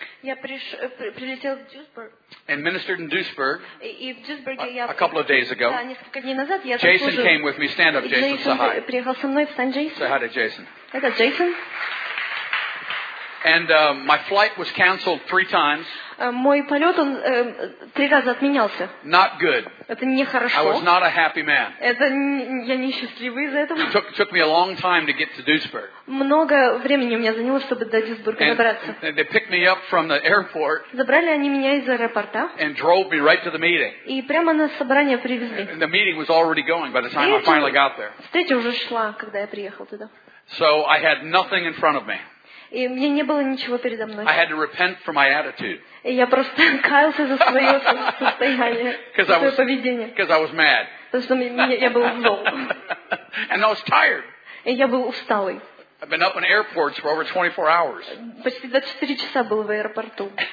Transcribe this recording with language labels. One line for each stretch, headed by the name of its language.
Russian: Я прилетел в Duisburg.
English: And ministered in Duisburg.
Russian: И в Duisburg я.
English: A couple of days ago.
Russian: Да, несколько дней назад я.
English: Jason came with me. Stand up, Jason.
Russian: Jason приехал со мной. Встань, Jason.
English: Say hi to Jason.
Russian: Это Jason.
English: And my flight was canceled 3 times.
Russian: Мой полет он 3 раза отменялся.
English: Not good.
Russian: Это не хорошо.
English: I was not a happy man.
Russian: Это я не счастливый из-за этого.
English: Took me a long time to get to Duisburg.
Russian: Много времени у меня заняло, чтобы до Дюйсбурга добраться.
English: And they picked me up from the airport.
Russian: Забрали они меня из аэропорта.
English: And drove me right to the meeting.
Russian: И прямо на собрание привезли.
English: And the meeting was already going by the time I finally got there.
Russian: Встреча уже шла, когда я приехал туда.
English: So I had nothing in front of me.
Russian: И мне не было ничего передо мной.
English: I had to repent for my attitude.
Russian: И я просто каялся за свое состояние, за свое поведение.
English: Because I was mad.
Russian: Потому что я был зол.
English: And I was tired.
Russian: И я был усталый.
English: I've been up in airports for over 24 hours.
Russian: Почти 24 часа был в аэропорту.